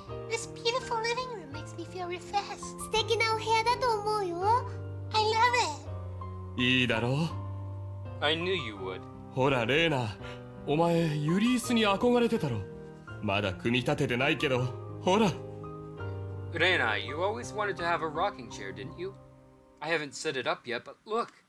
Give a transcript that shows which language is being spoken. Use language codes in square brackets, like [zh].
[en] This beautiful living room makes me feel refreshed. [ja] 素敵なお部屋だと思うよ! [en] I love it! [ja] いいだろ? [en] I knew you would. [ja] ほら、レーナ! お前、ユリースに憧れてたろ?まだ組み立ててないけど、 ほら! [en] Rina, you always wanted to have a rocking chair, didn't you? I haven't set it up yet, but look!